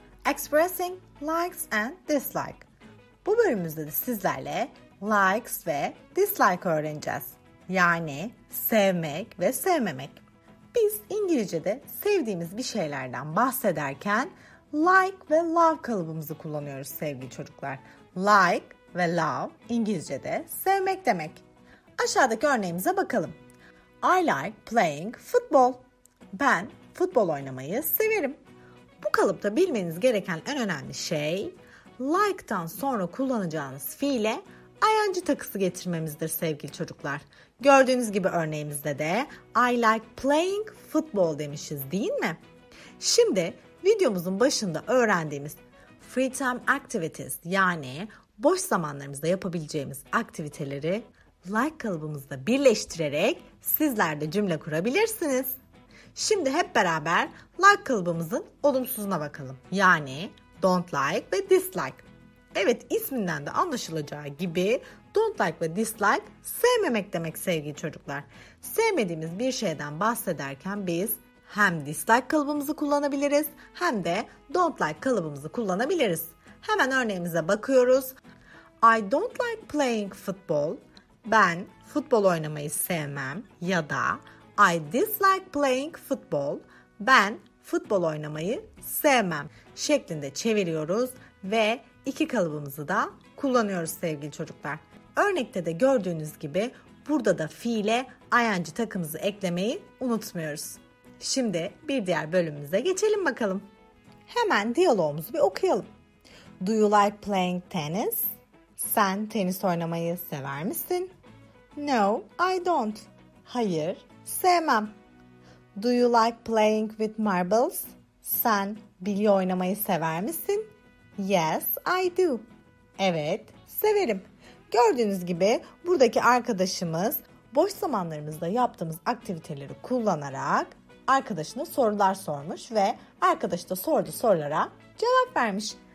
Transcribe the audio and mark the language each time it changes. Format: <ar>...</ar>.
<en>Expressing likes and dislikes.</en> <tr>Bu bölümümüzde de sizlerle likes ve dislike öğreneceğiz. Yani sevmek ve sevmemek. Biz İngilizce'de sevdiğimiz bir şeylerden bahsederken like ve love kalıbımızı kullanıyoruz sevgili çocuklar. Like ve love İngilizce'de sevmek demek. Aşağıdaki örneğimize bakalım.</tr> <en>I like playing football.</en> <tr>Ben futbol oynamayı severim. Bu kalıpta bilmeniz gereken en önemli şey like'tan sonra kullanacağınız fiile ing takısı getirmemizdir sevgili çocuklar. Gördüğünüz gibi örneğimizde de</tr> <en>I like playing football</en> <tr>demişiz değil mi? Şimdi videomuzun başında öğrendiğimiz</tr> <en>free time activities</en> <tr>yani boş zamanlarımızda yapabileceğimiz aktiviteleri like kalıbımızda birleştirerek sizler de cümle kurabilirsiniz. Şimdi hep beraber like kalıbımızın olumsuzuna bakalım. Yani don't like ve dislike. Evet, isminden de anlaşılacağı gibi don't like ve dislike sevmemek demek sevgili çocuklar. Sevmediğimiz bir şeyden bahsederken biz hem dislike kalıbımızı kullanabiliriz hem de don't like kalıbımızı kullanabiliriz. Hemen örneğimize bakıyoruz.</tr> <en>I don't like playing football.</en> <tr>Ben futbol oynamayı sevmem. Ya da</tr> <en>I dislike playing football.</en> <tr>Ben futbol oynamayı sevmem şeklinde çeviriyoruz ve İki kalıbımızı da kullanıyoruz sevgili çocuklar. Örnekte de gördüğünüz gibi burada da fiile ing takımızı eklemeyi unutmuyoruz. Şimdi bir diğer bölümümüze geçelim bakalım. Hemen diyaloğumuzu bir okuyalım.</tr> <en>Do you like playing tennis?</en> <tr>Sen tenis oynamayı sever misin?</tr> <en>No, I don't.</en> <tr>Hayır, sevmem.</tr> <en>Do you like playing with marbles?</en> <tr>Sen bilye oynamayı sever misin?</tr> <en>Yes, I do.</en> <tr>Evet, severim. Gördüğünüz gibi buradaki arkadaşımız boş zamanlarımızda yaptığımız aktiviteleri kullanarak arkadaşına sorular sormuş ve arkadaş da sorduğu sorulara cevap vermiş.</tr>